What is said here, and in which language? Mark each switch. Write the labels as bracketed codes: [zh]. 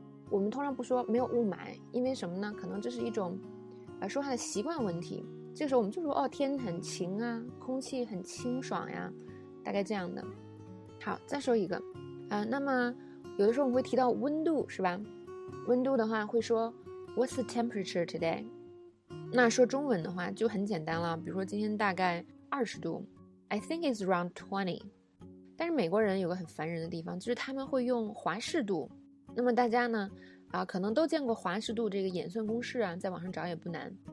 [zh] 我们通常不说没有雾霾，因为什么呢？可能这是一种说话的习惯问题。这个时候我们就说哦，天很晴啊，空气很清爽呀，大概这样的。好，再说一个那么有的时候我们会提到温度，是吧？温度的话会说 [en] What's the temperature today？ [zh] 那说中文的话就很简单了，比如说今天大概20度， [en] I think it's around 20。 [zh] 但是美国人有个很烦人的地方，就是他们会用华氏度。那么大家呢可能都见过华氏度这个演算公式啊，在网上找也不难。